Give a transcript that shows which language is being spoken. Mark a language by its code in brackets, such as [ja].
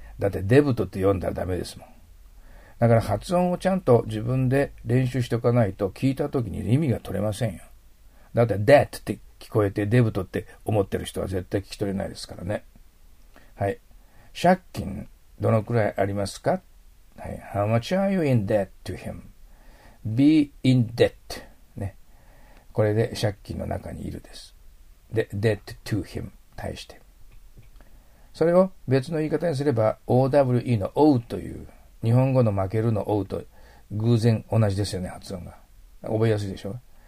[ja] だってデブトって読んだらダメですもん。だから発音をちゃんと自分で練習しておかないと、聞いた時に意味が取れませんよ。だって that って聞こえてデブトって思ってる人は絶対聞き取れないですからね。はい。借金どのくらいありますか？はい。 [en] How much are you in debt to him? Be in debt。 ね。 [ja] これで借金の中にいるです。で、 [en] debt to him [ja] 対して。それを別の言い方にすれば owe の owe という日本語の負けるの owe と偶然同じですよね、発音が。覚えやすいでしょ。